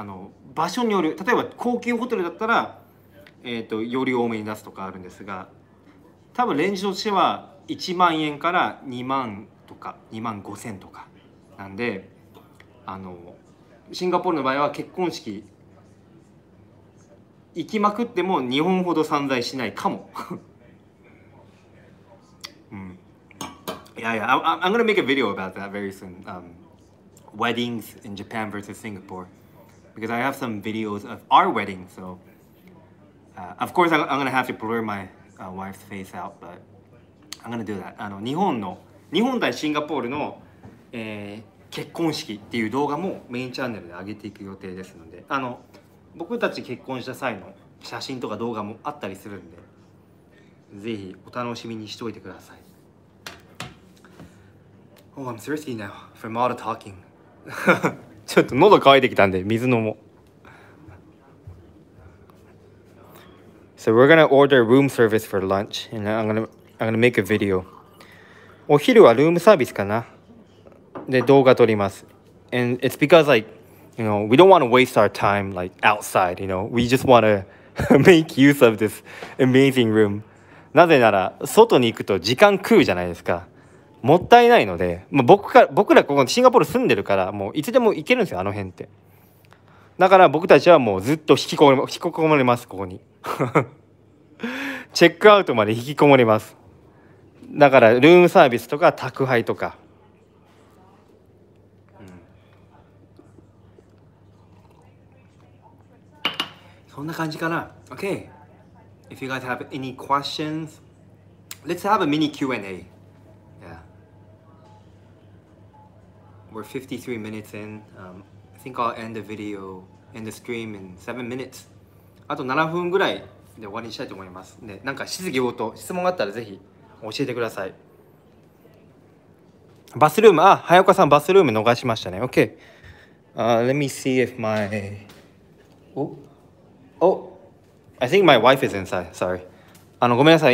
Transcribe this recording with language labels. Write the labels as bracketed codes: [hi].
[ja] あの、場所による、例えば高級ホテルだったら、より多めに出すとかあるんですが、多分レンジとしては1万円から2万とか2万5千とかなんで、あの、シンガポールの場合は結婚式行きまくっても日本ほど散財しないかも。 [en] I'm gonna make a video about that very soon. Weddings in Japan versus Singapore, because I have some videos of our wedding. So, of course, I'm gonna have to blur my wife's face out, but I'm gonna do that. [ja] あの、日本対シンガポールの、結婚式っていう動画もメインチャンネルで上げていく予定ですので、あの、僕たち結婚した際の写真とか動画もあったりするんで、ぜひお楽しみにしておいてください。 [en] Oh, I'm thirsty now from all the talking. [ja] ちょっと喉乾いてきたんで、水飲もう。 [en] So we're gonna order room service for lunch, and I'm gonna make a video. [ja] お昼はルームサービスかな。で、動画撮ります。 [en] And it's because like,You know, we don't want to waste our time like outside, you know. We just want to make use of this amazing room. [ja] なぜなら外に行くと時間食うじゃないですか。もったいないので、まあ、僕らここシンガポール住んでるから、もういつでも行けるんですよ、あの辺って。だから僕たちはもうずっと引きこもります、ここに。チェックアウトまで引きこもります。だからルームサービスとか宅配とか。こんな感じかな。 [en] Okay. If you guys have any questions, let's have a mini Q&A. Yeah. We're 53 minutes in. I think I'll end the stream in 7 minutes. [ja] あと7分ぐらいで終わりにしたいと思います。で、なんか質疑応答、質問があったらぜひ教えてください。バスルーム、あ、早岡さんバスルーム逃しましたね。 [en] Okay. Let me see if my... Oh, I think my wife is inside. Sorry. [ja] あの、ごめんなさい。